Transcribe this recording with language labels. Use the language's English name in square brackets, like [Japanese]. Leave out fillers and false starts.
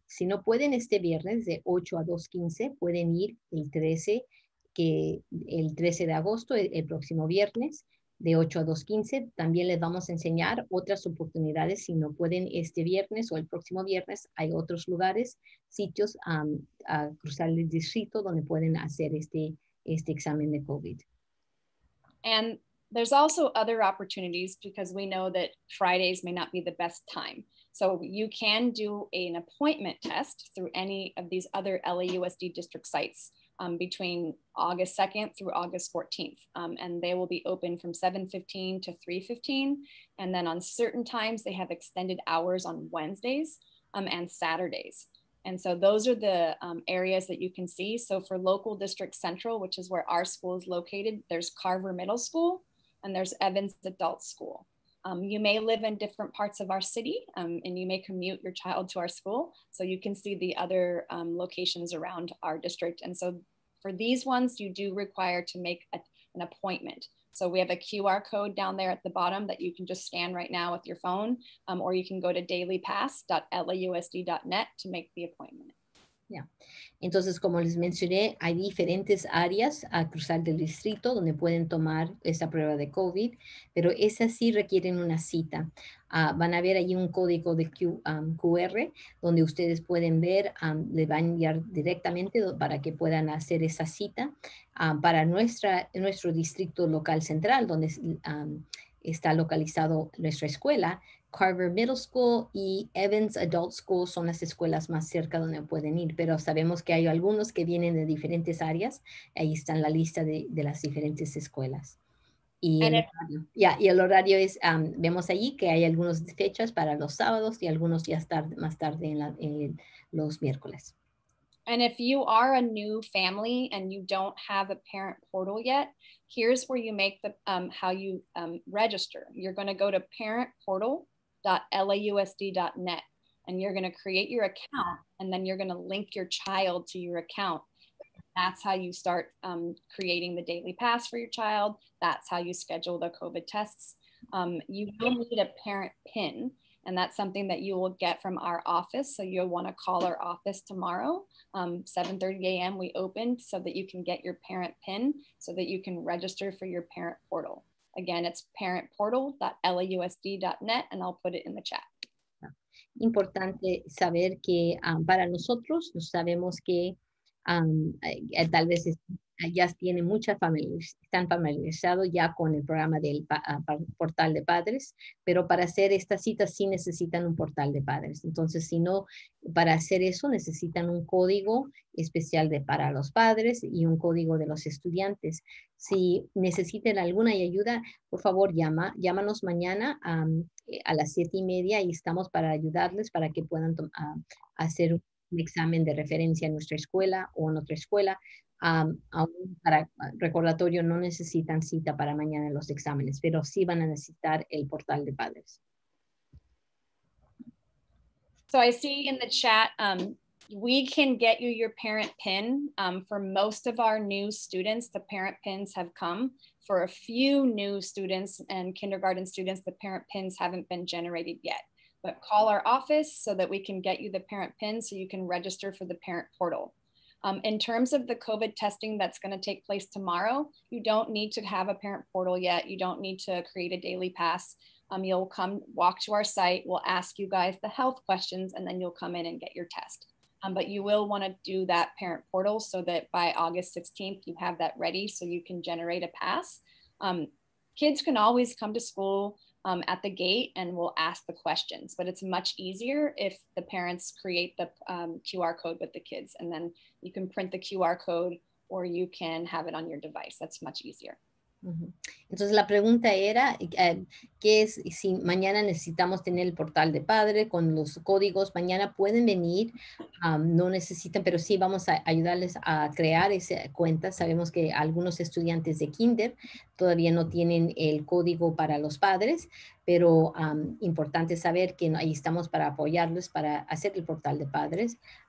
[Spanish] Si no pueden este viernes de 8 a 2:15, pueden ir el 13 de agosto, el próximo viernes, de 8 a 2:15. También les vamos a enseñar otras oportunidades. Si no pueden este viernes o el próximo viernes, hay otros lugares, sitios a cruzar el distrito donde pueden hacer este examen de COVID. [English] And there's also other opportunities because we know that Fridays may not be the best time. So you can do an appointment test through any of these other LAUSD district sites between August 2nd through August 14th. And they will be open from 7:15 to 3:15. And then on certain times, they have extended hours on Wednesdays and Saturdays. And so those are the areas that you can see. So for local district central, which is where our school is located, there's Carver Middle School and there's Evans Adult School. You may live in different parts of our city and you may commute your child to our school. So you can see the other locations around our district. And so for these ones, you do require to make an appointment. So we have a QR code down there at the bottom that you can just scan right now with your phone, or you can go to dailypass.lausd.net to make the appointment. Yeah. [Spanish] Entonces, como les mencioné, hay diferentes áreas a cruzar del distrito donde pueden tomar esa prueba de COVID, pero esas sí requieren una cita. Van a ver ahí un código de QR donde ustedes pueden ver, le van a enviar directamente para que puedan hacer esa cita para nuestro distrito local central donde está localizado nuestra escuela. Carver Middle School y Evans Adult School son las escuelas más cerca donde pueden ir, pero sabemos que hay algunos que vienen de diferentes áreas. Ahí está la lista de las diferentes escuelas. Y el horario es, vemos allí que hay algunas fechas para los sábados y algunos ya más tarde en los miércoles. [English] And if you are a new family and you don't have a parent portal yet, here's where you make the, how you register. You're going to go to parentportal.lausd.net and you're going to create your account and then you're going to link your child to your account. That's how you start creating the daily pass for your child. That's how you schedule the COVID tests. You will need a parent PIN, and that's something that you will get from our office. So you'll want to call our office tomorrow, 7:30 a.m. we opened, so that you can get your parent PIN so that you can register for your parent portal. Again, it's parentportal.lausd.net, and I'll put it in the chat. [Spanish] Importante saber que para nosotros, sabemos que tal vez ya tiene muchas familias, están familiarizados ya con el programa del portal de padres, pero para hacer esta cita sí necesitan un portal de padres. Entonces, si no, para hacer eso necesitan un código especial para los padres y un código de los estudiantes. Si necesiten alguna ayuda, por favor, llámanos mañana a las 7:30 y estamos para ayudarles para que puedan hacer un examen de referencia en nuestra escuela o en otra escuela. Para recordatorio, no necesitan cita para mañana en los exámenes, pero sí van a necesitar el portal de padres. [English] So I see in the chat, we can get you your parent PIN. For most of our new students, the parent PINs have come. For a few new students and kindergarten students, the parent PINs haven't been generated yet. But call our office so that we can get you the parent PIN so you can register for the parent portal. In terms of the COVID testing that's going to take place tomorrow, you don't need to have a parent portal yet. You don't need to create a daily pass. You'll come walk to our site. We'll ask you guys the health questions and then you'll come in and get your test. But you will want to do that parent portal so that by August 16th, you have that ready so you can generate a pass. Kids can always come to school at the gate and we'll ask the questions, but it's much easier if the parents create the QR code with the kids and then you can print the QR code or you can have it on your device. That's much easier. [Spanish] Entonces la pregunta era, ¿qué es si mañana necesitamos tener el portal de padre con los códigos? Mañana pueden venir, no necesitan, pero sí vamos a ayudarles a crear esa cuenta. Sabemos que algunos estudiantes de kinder todavía no tienen el código para los padres, pero importante saber que ahí estamos para apoyarles para hacer el portal de padres.